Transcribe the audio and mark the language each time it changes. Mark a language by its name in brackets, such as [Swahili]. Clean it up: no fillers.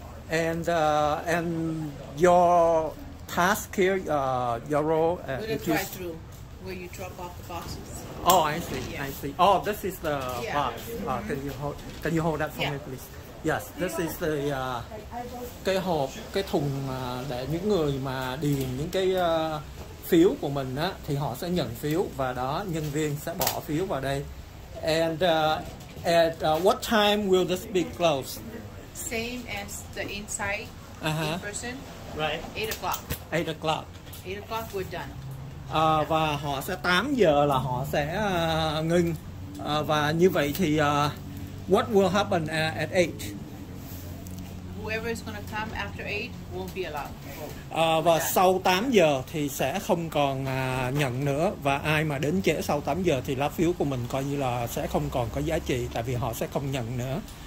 [English] Uh-huh. And your task here, your role, where you drop off the boxes. Oh, I see. Yeah. I see. Oh, this is the box. Mm-hmm. Can you hold that for me, please? Yes, this is the [Vietnamese] cái hộp, cái thùng để những người mà điền những cái phiếu của mình á, thì họ sẽ nhận phiếu và đó nhân viên sẽ bỏ phiếu vào đây. [English] And at what time will this be closed? Same as the inside in person. Right. 8:00. 8:00. 8:00 we're done. [Vietnamese] Và họ sẽ 8:00 là họ sẽ ngừng. Và như vậy thì [English] what will happen at 8? Whoever is going to come after 8 won't be allowed. [Vietnamese] Và sau 8 giờ thì sẽ không còn nhận nữa. Và ai mà đến trễ sau 8 giờ thì lá phiếu của mình coi như là sẽ không còn có giá trị, tại vì họ sẽ không nhận nữa.